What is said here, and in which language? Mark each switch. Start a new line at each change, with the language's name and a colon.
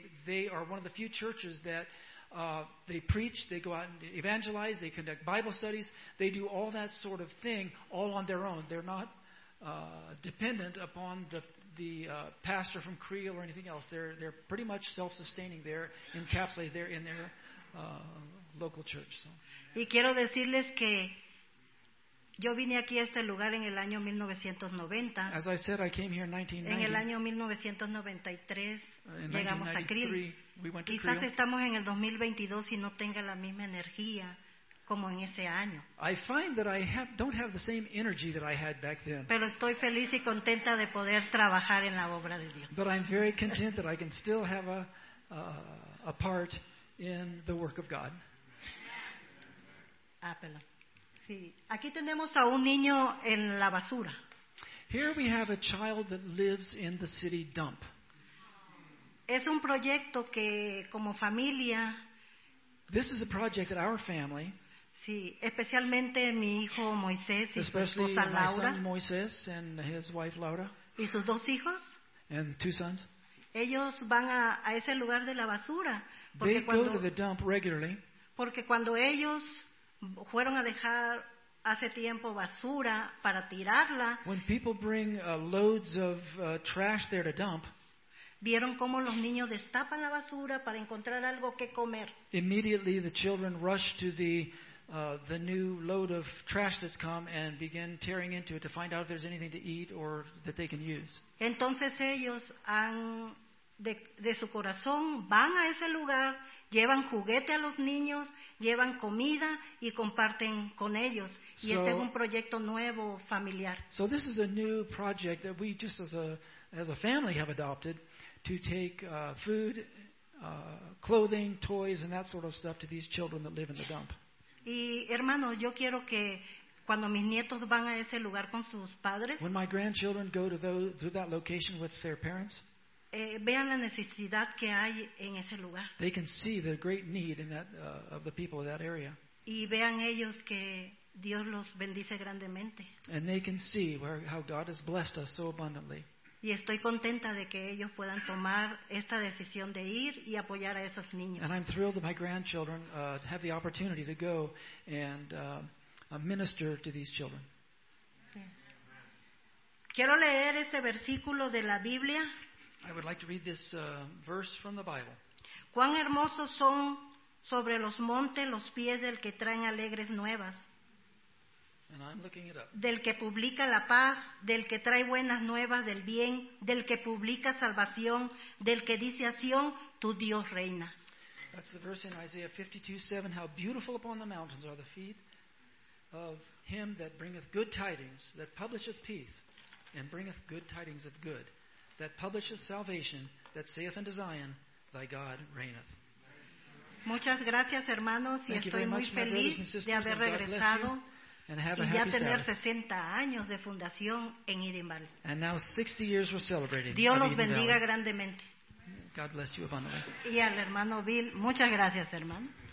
English: They are one of the few churches that they preach, they go out and evangelize, they conduct Bible studies, they do all that sort of thing all on their own. They're not dependent upon the pastor from Creel or anything else. They're pretty much self-sustaining there, encapsulated there in their local church. So.
Spanish: Y quiero decirles que yo vine aquí a este lugar en el año 1990.
English: As I said, I came here in 1990.
Spanish: En el año 1993 llegamos a Creel.
English: We went to
Spanish: Creel. Quizás estamos en el 2022 y no tenga la misma energía como en ese año.
English: I find that I have, don't have the same energy that I had back then.
Spanish: Pero estoy feliz y contenta de poder trabajar en la obra de Dios.
English: But I'm very content that I can still have a part in the work of God.
Spanish: Apelo. Sí. Aquí tenemos a un niño en la basura.
English: Here we have a child that lives in the city dump.
Spanish: Es un proyecto que como familia.
English: This is a project that our family.
Spanish: Sí, especialmente mi hijo Moisés y su esposa Laura.
English: My son Moisés and his wife Laura.
Spanish: Y sus dos hijos.
English: And two sons.
Spanish: Ellos van a ese lugar de la basura.
English: They go to the dump regularly.
Spanish: Porque cuando ellos fueron a dejar hace tiempo basura para tirarla.
English: When people bring loads of trash there to dump.
Spanish: Vieron cómo los niños destapan la basura para encontrar algo que comer.
English: Immediately the children rush to the new load of trash that's come and begin tearing into it to find out if there's anything to eat or that they can use.
Spanish: Entonces ellos han de su corazón van a ese lugar, llevan juguete a los niños, llevan comida y comparten con ellos. Y
English: so,
Spanish: este es un proyecto nuevo familiar.
English: So this is a new project that we just as a family have adopted. To take food, clothing, toys, and that sort of stuff to these children that live in the dump.
Spanish: Y hermano, yo quiero que cuando mis nietos van a ese lugar con sus padres.
English: When my grandchildren go to that location with their parents.
Spanish: Vean la necesidad que hay en ese lugar.
English: They can see the great need in that of the people of that area.
Spanish: Y vean ellos que Dios los bendice grandemente.
English: And they can see where, how God has blessed us so abundantly.
Spanish: Y estoy contenta de que ellos puedan tomar esta decisión de ir y apoyar a esos niños.
English: And I'm thrilled that my grandchildren have the opportunity to go and minister to these children.
Spanish: Quiero leer este versículo de la Biblia.
English: I would like to read this verse from the Bible.
Spanish: Cuán hermosos son sobre los montes los pies del que traen alegres nuevas.
English: And I'm looking it up.
Spanish: Del que publica la paz, del que trae buenas nuevas del bien, del que publica salvación, del que dice a Sion, tu Dios reina.
English: That's the verse in Isaiah 52:7. How beautiful upon the mountains are the feet of him that bringeth good tidings, that publisheth peace, and bringeth good tidings of good, that publisheth salvation, that saith unto Zion, thy God reigneth.
Spanish: Muchas gracias, hermanos, y
English: thank
Spanish: estoy
English: much,
Spanish: muy feliz de haber regresado.
English: And have a
Spanish: y ya
English: happy
Spanish: tener
English: Saturday.
Spanish: 60 años de fundación en Eden Valley.
English: And now 60 years we're celebrating.
Spanish: Dios los bendiga Valley. Grandemente.
English: God bless you abundantly.
Spanish: Y al hermano Bill, muchas gracias, hermano.